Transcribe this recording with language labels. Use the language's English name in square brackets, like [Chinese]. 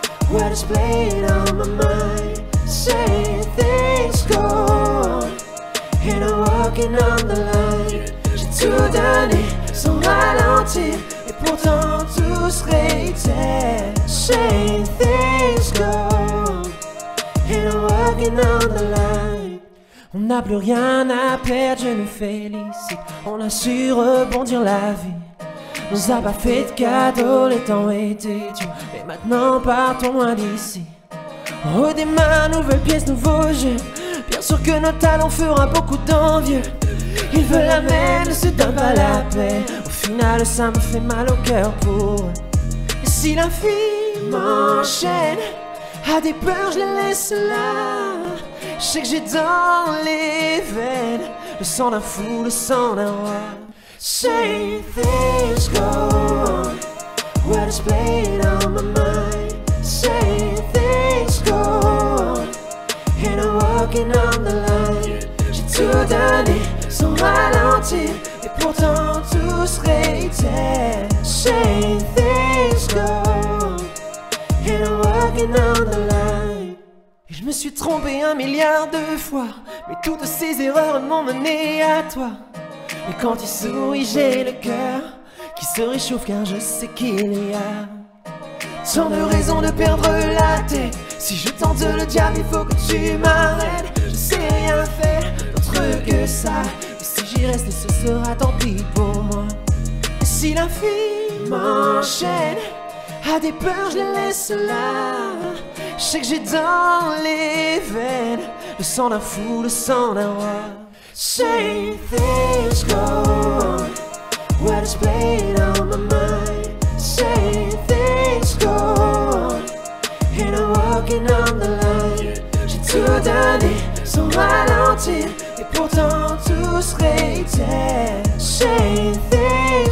[English] What is playing on my mind? Same things go on. And I'm walking on the line. [French] J'ai tout donné sans ralentir. Et pourtant tout serait dead. [English] Same things go on. And I'm walking on the line. [French] On n'a plus rien à perdre, je nous félicite. On a su rebondir la vie. Nous a pas fait de cadeaux, les temps étaient durs. Mais maintenant partons loin d'ici. On redémarre, nouvelle pièce, nouveau jeu. Bien sûr que notre talent fera beaucoup d'envieux. Ils veulent la même, ne se donnent pas la paix. Au final, ça me fait mal au cœur pour eux. Et si la vie m'enchaîne à des peurs, je les laisse là. Je sais que j'ai dans les veines le sang d'un fou, le sang d'un roi. [English] Same things go on. What is playing on my mind? Same things go on. And I'm walking on the line. [French] J'ai tout donné sans ralentir. Et pourtant tout serait dead. [English] Same things go on. And I'm walking on the line. [French] Je me suis trompé un milliard de fois. Mais toutes ces erreurs m'ont mené à toi. Et quand tu souris, j'ai le cœur qui se réchauffe, car je sais qu'il y a tant de raisons de perdre la tête. Si je tente le diable, il faut que tu m'arrêtes. Je sais rien faire d'autre que ça. Et si j'y reste, ce sera tant pis pour moi. Et si la vie m'enchaîne à des peurs, je les laisse là. Je sais que j'ai dans les veines le sang d'un fou, le sang d'un roi. [English] Same things go on. What is playing on my mind? Same things go on. And I'm walking on the line. [French] J'ai tout donné sans ralentir. Et pourtant tout serait dead. [English] Same things.